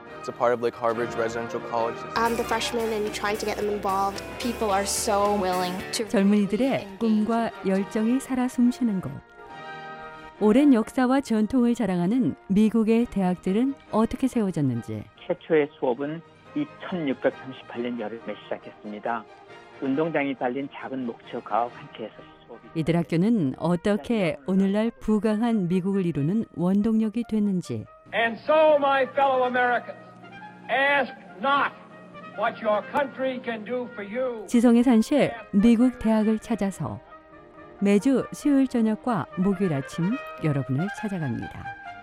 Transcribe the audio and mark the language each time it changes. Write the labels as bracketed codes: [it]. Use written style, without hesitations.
[en] It's a part of like Harvard's residential college. I'm the freshman and trying to get them involved. People are so willing to. [ko] 젊은이들의 꿈과 열정이 살아 숨쉬는 곳. 오랜 역사와 전통을 자랑하는 미국의 대학들은 어떻게 세워졌는지. 최초의 수업은 1638년 여름에 시작했습니다. 운동장이 달린 작은 목표가 함께해서 수업이. 이들 학교는 어떻게 오늘날 부강한 미국을 이루는 원동력이 됐는지. [en] And so, my fellow Americans, ask not what your country can do for you. [ko] 지성의 산실, 미국 대학을 찾아서 매주 수요일 저녁과 목요일 아침 여러분을 찾아갑니다.